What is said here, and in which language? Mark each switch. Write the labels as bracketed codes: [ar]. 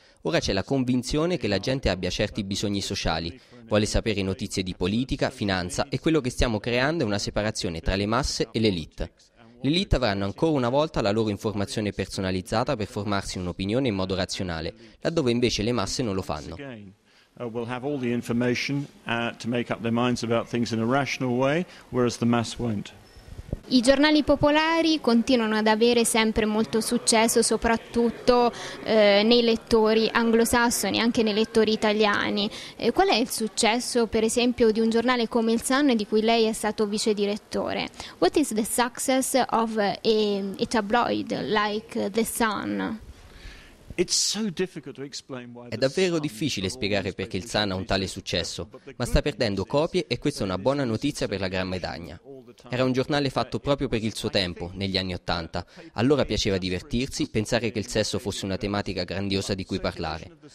[it] Ora c'è la convinzione che la gente abbia certi bisogni sociali, vuole sapere notizie di politica, finanza e quello che stiamo creando è una separazione tra le masse e l'elite. L'elite avranno ancora una volta la loro informazione personalizzata per formarsi un'opinione in modo razionale, laddove invece le masse non lo fanno. [en] We'll have all the information to make up their minds about things in a rational way, whereas the mass won't. [it] I giornali popolari continuano ad avere sempre molto successo, soprattutto nei lettori anglosassoni, anche nei lettori italiani. Qual è il successo, per esempio, di un giornale come il Sun, di cui lei è stato vice direttore? [en] What is the success of a tabloid like the Sun? [it] È davvero difficile spiegare perché il Sun ha un tale successo, ma sta perdendo copie e questa è una buona notizia per la Gran Bretagna. Era un giornale fatto proprio per il suo tempo, negli anni Ottanta. Allora piaceva divertirsi, pensare che il sesso fosse una tematica grandiosa di cui parlare.